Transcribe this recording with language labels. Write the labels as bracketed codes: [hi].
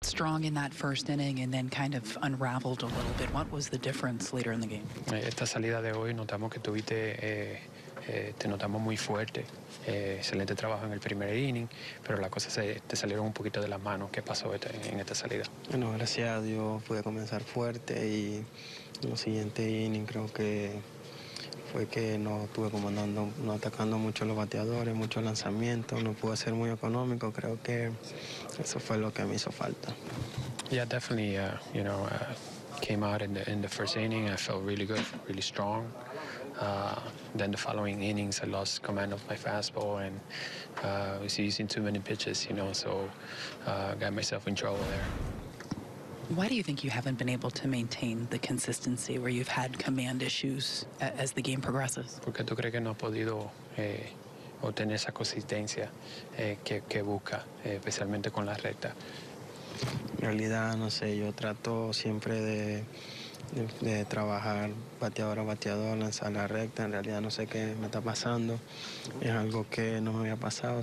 [en] strong in that first inning and then kind of unraveled a little bit. What was the difference later in the game? [es] Esta salida de hoy notamos que tuviste te notamos muy fuerte. Excelente trabajo en el primer inning, pero las cosas te salieron un poquito de las manos. ¿Qué pasó en esta salida? Bueno, gracias a Dios pude comenzar fuerte y en los siguientes inning creo que fue que no estuve comandando, no atacando mucho los bateadores, muchos lanzamientos, no pude ser muy económico. Creo que eso fue lo que me hizo falta. [en] Yeah, definitely, you know, came out in the first inning. I felt really good, really strong. Then the following innings, I lost command of my fastball and was using too many pitches, you know, so got myself in trouble there. Why do you think you haven't been able to maintain the consistency where you've had command issues as the game progresses? [es] Porque tú crees que no ha podido obtener esa consistencia que busca, especialmente con la recta. En realidad, no sé, yo trato siempre de trabajar bateador a bateador, lanzar la recta. En realidad no sé qué me está pasando. Es algo que no me había pasado.